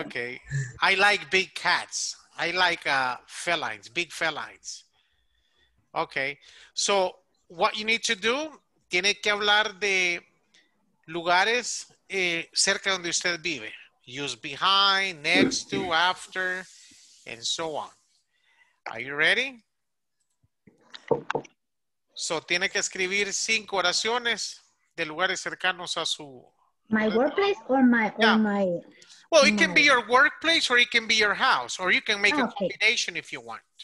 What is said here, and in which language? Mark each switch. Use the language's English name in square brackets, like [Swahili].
[English] Okay. I like big cats. I like felines, big felines. Okay, so what you need to do, [Spanish] tiene que hablar de lugares cerca donde usted vive. [English] Use behind, next to, after, and so on. Are you ready? [Spanish] So tiene que escribir 5 oraciones de lugares cercanos a su... [English] My workplace or my... Yeah. Or my well, it my... can be your workplace or it can be your house, or you can make a combination if you want.